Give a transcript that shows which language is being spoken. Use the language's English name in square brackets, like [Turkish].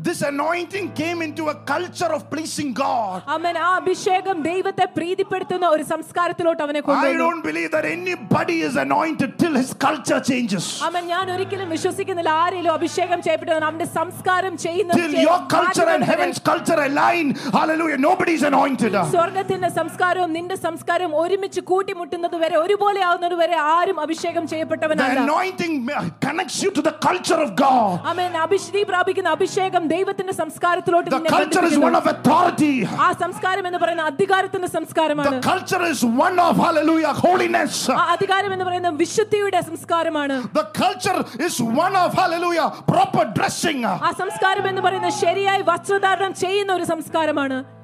[English] This anointing came into a culture of pleasing God. [Malayalam] അമ്മേ ആ അഭിഷേകം ദൈവത്തെ പ്രീതിപ്പെടുത്തുന്ന ഒരു സംസ്കാരത്തിലോട്ട് അവനെ കൊണ്ടുപോയി. [English] I don't believe that anybody is anointed till his culture changes. [Malayalam] അമ്മേ ഞാൻ ഒരിക്കലും വിശ്വസിക്കുന്നില്ല ആരെങ്കിലും അഭിഷേകം ചെയ്യപ്പെട്ടവൻ അവന്റെ സംസ്കാരം ചെയ്യുന്നത് [English] till your culture and heaven's culture align. Hallelujah. Nobody is anointed. [Malayalam] സ്വർഗ്ഗത്തിന്റെ സംസ്കാരവും നിന്റെ സംസ്കാരവും ഒരുമിച്ച് കൂട്ടിമുട്ടുന്നതുവരെ ഒരുപോലെ ആവുന്നതുവരെ ആരും അഭിഷേകം ചെയ്യപ്പെട്ടവനല്ല. [English] The anointing connects you to the culture of God. [Malayalam] അമ്മേ അഭിഷേകം പ്രാപിക്കുന്ന അഭിഷേകം ദൈവത്തിന്റെ സംസ്കാരത്തിലോട്ട് നിന്നെ കൊണ്ടുപോകുന്നു. [English] The culture is one of authority. [Malayalam] ആ സംസ്കാരം എന്ന് പറയുന്ന അധികാരത്തിന്റെ സംസ്കാരമാണ്. [English] The culture is one of hallelujah holiness. [Malayalam] ആ അധികാരം എന്ന് പറയുന്ന വിശുദ്ധിയുടെ സംസ്കാരമാണ്. [English] The culture is one of hallelujah proper dressing. [Malayalam] ആ സംസ്കാരം എന്ന് പറയുന്ന ശരിയായി വസ്ത്രധാരണം ചെയ്യുന്ന ഒരു സംസ്കാരമാണ്.